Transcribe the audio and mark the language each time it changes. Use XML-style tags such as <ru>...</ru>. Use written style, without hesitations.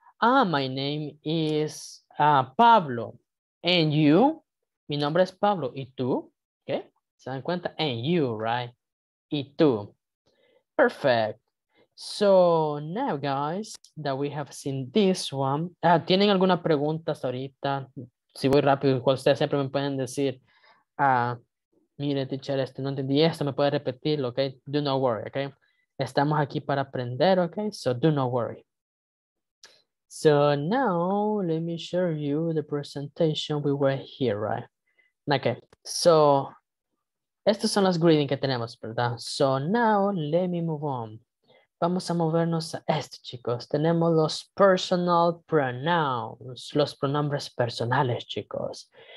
<en>Ah, my name is Pablo. And you,</en> <es>mi nombre es Pablo. ¿Y tú? ¿Qué? ¿Se dan cuenta?</es> <en>And you, right?</en> <es>¿Y tú?</es> <en>Perfect. So now, guys, that we have seen this one.</en> <es>¿Tienen alguna pregunta hasta ahorita? Si voy rápido, igual ustedes siempre me pueden decir, mire, teacher, este no entendí esto, me puede repetir, ¿ok?</es> <en>Do not worry, ¿ok?</en> <es>Estamos aquí para aprender,</es> <en>okay? So do not worry. So now let me show you the presentation we were here, right? Okay, so</en> <es>estas son las greetings que tenemos, ¿verdad?</es> <en>So now let me move on.</en> <es>Vamos a movernos a esto, chicos. Tenemos los personal pronouns, los pronombres personales, chicos.</es>